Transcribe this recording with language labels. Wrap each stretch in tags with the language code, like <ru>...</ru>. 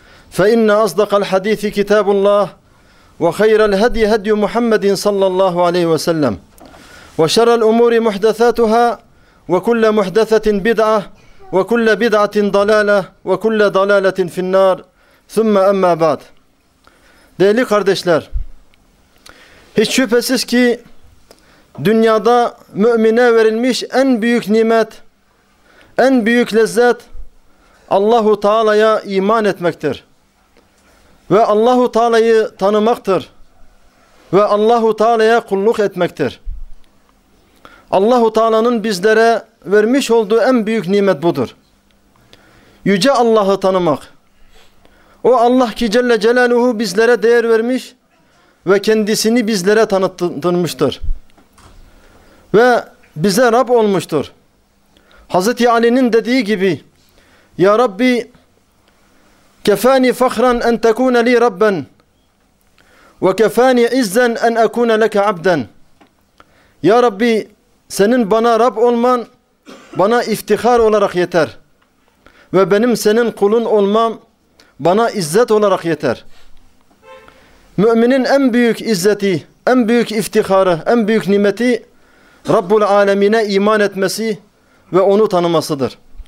<ar>فإن أصدق الحديث كتاب الله، وخير الهدي هدي محمد صلى الله عليه وسلم، وشر الأمور محدثاتها، وكل محدثة بدعة، وكل بدعة ضلالة، وكل ضلالة في النار. ثم أما بعد.</ar> <tr>Değerli kardeşler, hiç şüphesiz ki dünyada mümine verilmiş en büyük nimet, en büyük lezzet Allahu Teala'ya iman etmektir ve Allahu Teala'yı tanımaktır ve Allahu Teala'ya kulluk etmektir. Allahu Teala'nın bizlere vermiş olduğu en büyük nimet budur. Yüce Allah'ı tanımak. O Allah ki Celle Celaluhu bizlere değer vermiş ve kendisini bizlere tanıtmıştır ve bize Rab olmuştur. Hazreti Ali'nin dediği gibi: Ya Rabbi,</tr> <ar>كفاني فخرا أن تكون لي ربا وكفاني عزا أن أكون لك عبدا. يا ربي،</ar> <tr>senin bana Rab olman bana iftihar olarak yeter ve benim senin kulun olmam bana izzet olarak yeter. Müminin en büyük izzeti, en büyük iftiharı, en büyük nimeti Rabbul Alemine iman etmesi ve onu tanımasıdır.</tr>